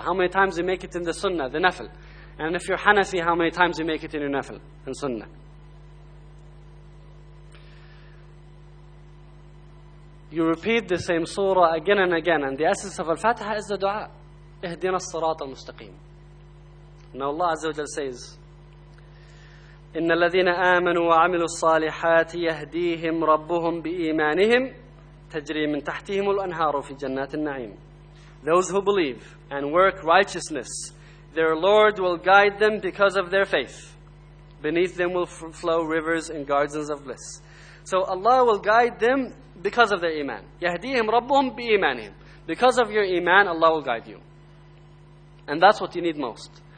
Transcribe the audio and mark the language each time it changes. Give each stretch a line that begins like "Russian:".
English: How many times do you make it in the sunnah, the nafil? And if you're Hanafi, how many times do you make it in your nafil and sunnah? You repeat the same surah again and again, and the essence of al-Fatiha is the dua.
Arabic: اهدِنَا الصَّرَاطَ الْمُسْتَقِيمِ.
English: Now Allah Azza wa Jalla says,
Arabic: إن الذين آمنوا وعملوا الصالحات يهديهم ربهم بإيمانهم تجري من تحتهم الأنهار في جنات النعيم.
English: Those who believe and work righteousness, their Lord will guide them because of their faith. Beneath them will flow rivers and gardens of bliss. So Allah will guide them because of their iman.
Arabic: يهديهم ربهم بإيمانهم.
English: Because of your iman, Allah will guide you. And that's what you need most.